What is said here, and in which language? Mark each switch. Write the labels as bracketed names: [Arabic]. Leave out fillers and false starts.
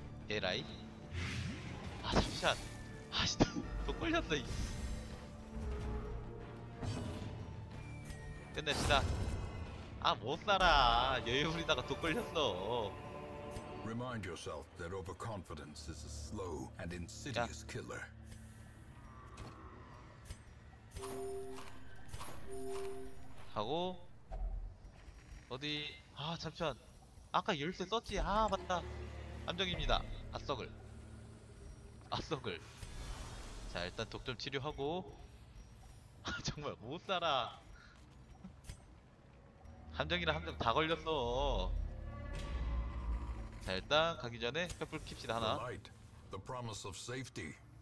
[Korean] 에라이. 아, 잠시만. 아씨, 또 걸렸다. 끝냅시다. 아, 못 살아. 여유 부리다가 독 걸렸어. [English] Remind yourself that overconfidence is a slow and insidious killer. [Korean] 하고 어디 아 잠시만 아까 열쇠 썼지 아 맞다 함정입니다 아썩을 아썩을 자 일단 독 좀 치료하고 아 정말 못 살아 함정이랑 함정 다 걸렸어 자 일단 가기 전에 횃불 킵시다 하나 [English] The promise of safety.